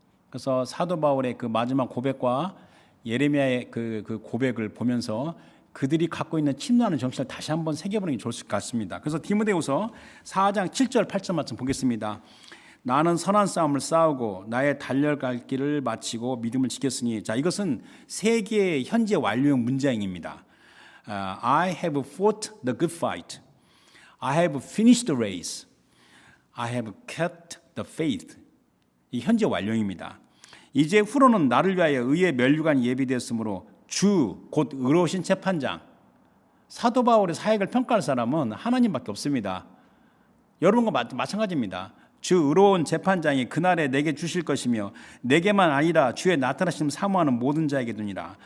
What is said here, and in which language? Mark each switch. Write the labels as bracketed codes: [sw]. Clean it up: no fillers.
[ko] 그래서 사도 바울의 그 마지막 고백과 예레미야의 그 고백을 보면서 그들이 갖고 있는 침노하는 정신을 다시 한번 새겨보는 게 좋을 것 같습니다. 그래서 디모데후서 4장 7절 8절 말씀 보겠습니다. 나는 선한 싸움을 싸우고 나의 달려갈 길을 마치고 믿음을 지켰으니 자 이것은 세계의 현재 완료형 문장입니다. [en] I have fought the good fight. I have finished the race. I have kept the faith. [ko] 이 현재 완료형입니다. 이제 후로는 나를 위하여 의의 면류관이 예비되었으므로 주 곧 의로우신 재판장 사도 바울의 사역을 평가할 사람은 하나님밖에 없습니다. 여러분과 마찬가지입니다. 주 의로운 재판장이 그날에 내게 주실 것이며 내게만 아니라 주의 나타나심을 사모하는 모든 자에게 두니라.